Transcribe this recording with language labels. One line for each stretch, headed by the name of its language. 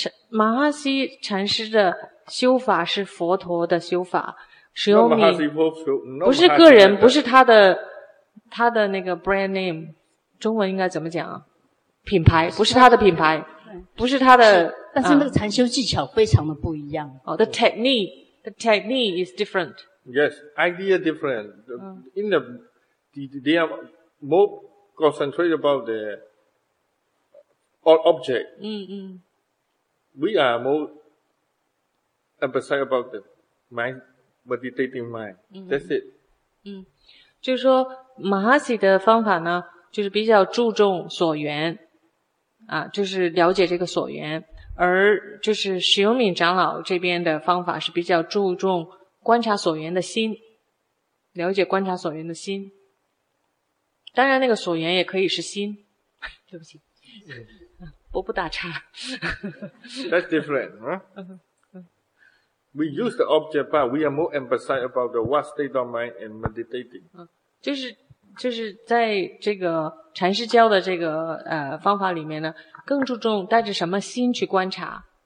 Chinese: 马哈西禅师的修法是佛陀的修法。
English: Not Mahasi,
Chinese: 不是个人，不是他的那个
English: brand name.
Chinese: 中文应该怎么讲？品牌，不是他的品牌。不是他的是，但是那个禅修技巧非常的不一样。
English: The technique is different. Yes, idea different. In the, they are more concentrated about the object. We are more emphasized about the mind, meditating mind. That's it.
Chinese: 就是说马哈西的方法呢，就是比较注重所缘。就是了解这个所缘，而就是石永敏长老这边的方法是比较注重观察所缘的心，了解观察所缘的心。当然那个所缘也可以是心，对不起，不打岔。
English: That's different, huh? We use the object, but we are more emphasized about the what state of mind and meditating.
Chinese: 就是在这个禅师教的这个方法里面呢，更注重带着什么心去观察。